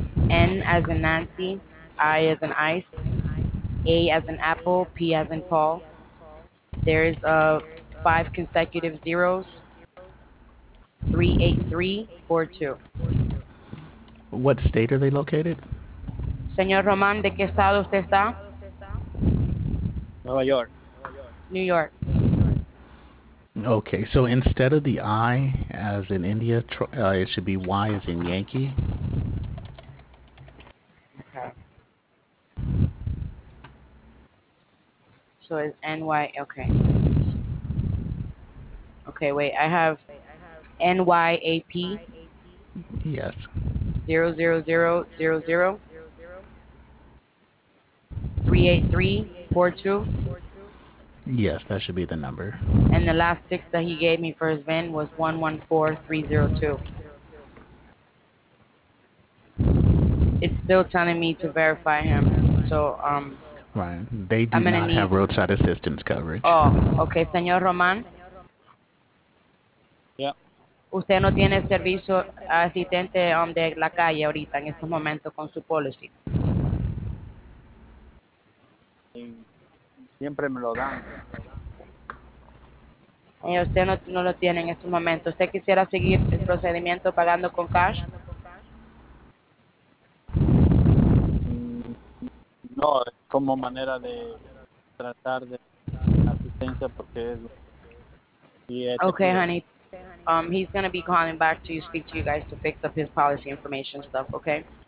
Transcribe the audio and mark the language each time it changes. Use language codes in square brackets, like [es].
[en] N as in Nancy, I as in ice, A as in apple, P as in Paul. There's 5 consecutive zeros, 38342. What state are they located? [es] Señor Roman, ¿de qué estado usted está? Nueva York. [en] New York. Okay, so instead of the I as in India, it should be Y as in Yankee. So it's NY, okay. Okay, wait, I have NYAP. Yes. 00000. 38342. Yes, that should be the number. And the last 6 that he gave me for his VIN was 114302. It's still telling me to verify him, so, Right. They do not have roadside assistance coverage. Oh, okay. Señor Roman. Yeah. [es] Usted no tiene servicio asistente de la calle ahorita en estos momentos con su policy. Siempre me lo dan. Y usted no lo tiene en estos momentos. ¿Usted quisiera seguir el procedimiento pagando con cash? No, como manera de tratar de asistencia porque es... [en] Okay, honey. He's going to be calling back to you, speak to you guys to fix up his policy information stuff, okay?